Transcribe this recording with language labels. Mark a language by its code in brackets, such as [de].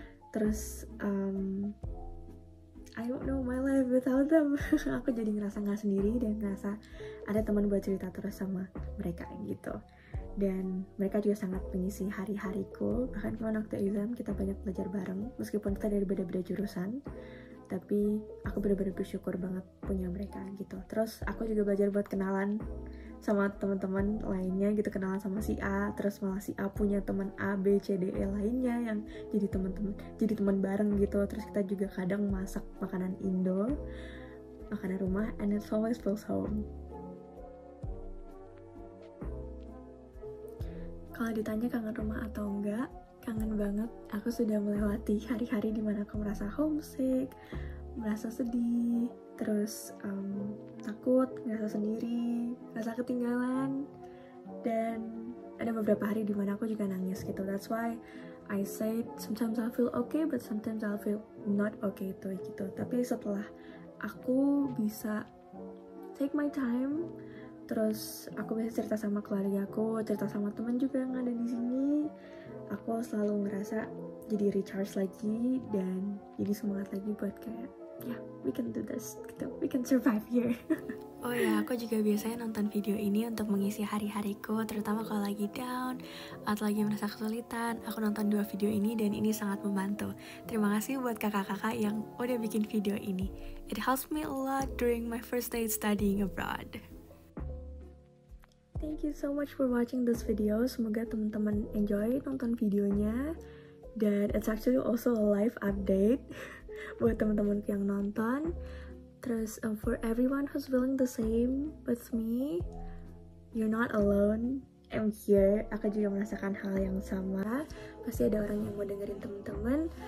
[id] Terus [en] I don't know my life without them. [id] Aku jadi ngerasa gak sendiri dan ngerasa ada teman buat cerita terus sama mereka gitu. Dan mereka juga sangat mengisi hari-hariku. Bahkan kemarin waktu exam kita banyak belajar bareng, meskipun kita dari beda-beda jurusan, tapi aku benar-benar bersyukur banget punya mereka gitu. Terus aku juga belajar buat kenalan sama teman-teman lainnya gitu, kenalan sama si A, terus malah si A punya teman A, B, C, D, E lainnya yang jadi teman-teman, jadi teman bareng gitu. Terus kita juga kadang masak makanan Indo. makanan rumah, [en] and it always feels home. [id] Kalau ditanya kangen rumah atau enggak, kangen banget. Aku sudah melewati hari-hari dimana aku merasa homesick, merasa sedih, terus takut, merasa sendiri, merasa ketinggalan, dan ada beberapa hari dimana aku juga nangis gitu. [en] That's why I said sometimes I feel okay, but sometimes I feel not okay [id] itu gitu. Tapi setelah aku bisa [en] take my time, [id] terus aku bisa cerita sama keluarga aku, cerita sama teman juga yang ada di sini, aku selalu ngerasa jadi recharge lagi dan jadi semangat lagi buat kayak, [en] yeah, we can do this, we can survive here. [id] Oh ya, aku juga biasanya nonton video ini untuk mengisi hari-hariku, terutama kalau lagi down atau lagi merasa kesulitan. Aku nonton dua video ini dan ini sangat membantu. Terima kasih buat kakak-kakak yang udah bikin video ini. [en] It helps me a lot during my first day studying abroad. Thank you so much for watching this video. [id] Semoga teman-teman [en] enjoy [id] nonton videonya. Dan [en] it's actually also a live update [id] buat teman-teman yang nonton. Terus, [en] for everyone who's feeling the same with me, you're not alone. I'm here. [id] Aku juga merasakan hal yang sama. Pasti ada orang yang mau dengerin teman-teman.